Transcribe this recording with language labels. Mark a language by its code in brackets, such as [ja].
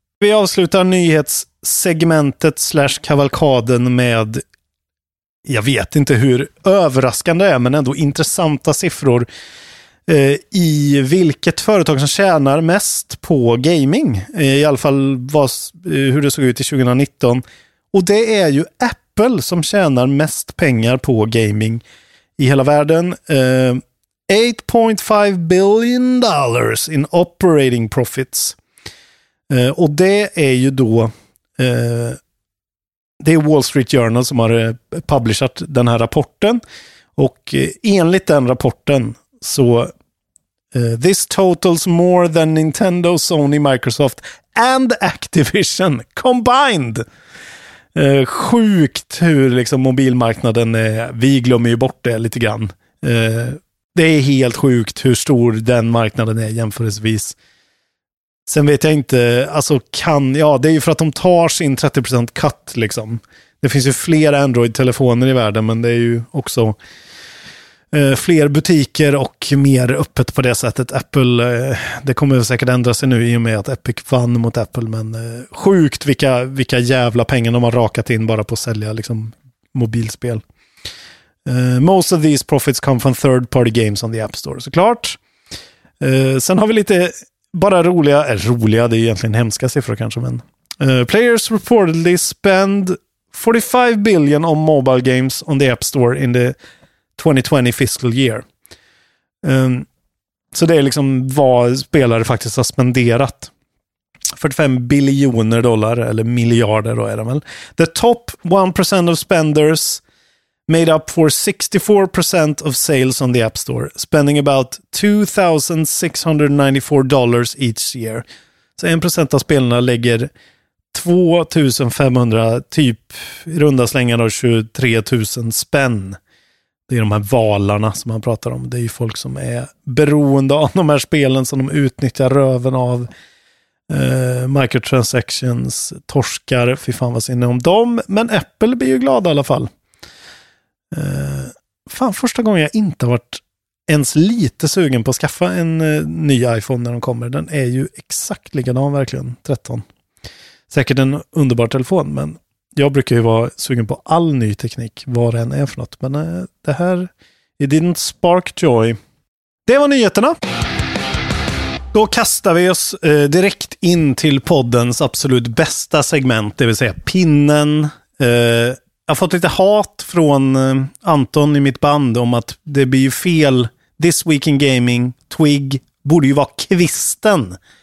[sv] Vi avslutar nyhetssegmentet / kavalkaden med, jag vet inte hur överraskande det är, men ändå intressanta siffror i vilket företag som tjänar mest på gaming. I alla fall hur det såg ut i 2019. Och det är ju Apple som tjänar mest pengar på gaming i hela världen. [en] 8.5 billion dollars in operating profits. [sv] Och det är ju då... Det är Wall Street Journal som har publicerat den här rapporten. Och enligt den rapporten så... [en] This totals more than Nintendo, Sony, Microsoft and Activision combined. [sv] Sjukt hur liksom mobilmarknaden är. Vi glömmer ju bort det lite grann. Det är helt sjukt hur stor den marknaden är jämförelsevis. Sen vet jag inte, alltså kan, ja, det är ju för att de tar sin 30% cut liksom. Det finns ju flera Android-telefoner i världen, men det är ju också fler butiker och mer öppet på det sättet. Apple, det kommer säkert ändra sig nu i och med att Epic vann mot Apple, men sjukt vilka jävla pengar de har rakat in bara på att sälja liksom mobilspel. [en] Most of these profits come from third party games on the App Store, [sv] såklart. Sen har vi lite bara roliga, det är egentligen hemska siffror kanske, men [en] players reportedly spend 45 billion on mobile games on the App Store in the 2020 fiscal year. [sv] Så det är liksom vad spelare faktiskt har spenderat. 45 biljoner dollar, eller miljarder då är det väl. [en] The top 1% of spenders made up for 64% of sales on the App Store, spending about $2,694 each year. [sv] Så 1% av spelarna lägger 2500, typ i runda slängar av 23 000 spänn. Det är de här valarna som man pratar om. Det är ju folk som är beroende av de här spelen som de utnyttjar röven av. Microtransactions, torskar, fy fan vad synd om dem. Men Apple blir ju glada i alla fall. Fan, första gången jag inte har varit ens lite sugen på att skaffa en ny iPhone när de kommer. Den är ju exakt likadan verkligen, 13. Säkert en underbar telefon, men... Jag brukar ju vara sugen på all ny teknik, vad den är för något. Men det här, [en] it didn't spark joy. [sv] Det var nyheterna. Då kastar vi oss direkt in till poddens absolut bästa segment, det vill säga pinnen. Jag har fått lite hat från Anton i mitt band om att det blir ju fel. This Week in Gaming, Twig, borde ju vara kvisten.